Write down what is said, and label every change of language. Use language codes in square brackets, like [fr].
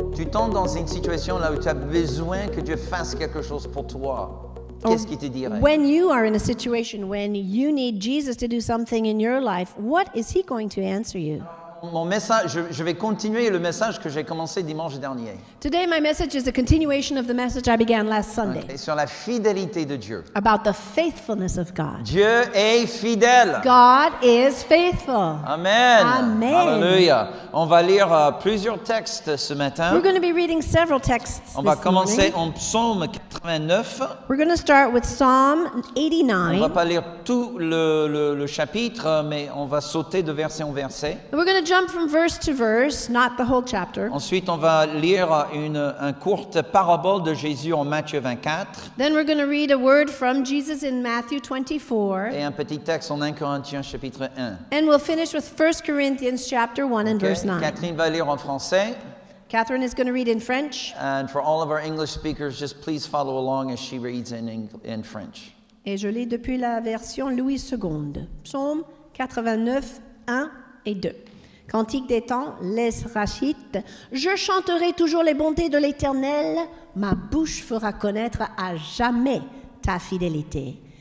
[fr] tombes dans une situation là où tu as besoin que Dieu fasse quelque chose pour toi, qu'est-ce qu'il te dirait? [en] When you are in a situation when you need Jesus to do something in your life, what is he going to answer you? [fr] Mon message, je vais continuer le message que j'ai commencé dimanche dernier. [en] Today my message is a continuation of the message I began last Sunday. [fr] Okay, sur la fidélité de Dieu. [en] About the faithfulness of God. [fr] Dieu est fidèle. [en] God is faithful. Amen. Amen. [fr] Alléluia. On va lire plusieurs textes ce matin. [en] We're going to be reading several texts. [fr] On va commencer en psaume 89. [en] We're going to start with Psalm 89. [fr] On va pas lire tout le chapitre, mais on va sauter de verset en verset. [en] We're going to jump from verse to verse, not the whole chapter. [fr] Ensuite, on va lire une courte parabole de Jésus en Matthieu 24. [en] Then we're going to read a word from Jesus in Matthew 24. [fr] Et un petit texte en 1 Corinthiens chapitre 1. [en] And we'll finish with 1 Corinthians chapter 1 and verse 9. [fr] Catherine va lire en français. [en] Catherine is going to read in French. And for all of our English speakers, just please follow along as she reads in French. [fr] Et je lis depuis la version Louis II. Psaume 89, 1 et 2. Cantique des temps, l'Esrachite. Je chanterai toujours les bontés de l'Éternel. Ma bouche fera connaître à jamais ta fidélité.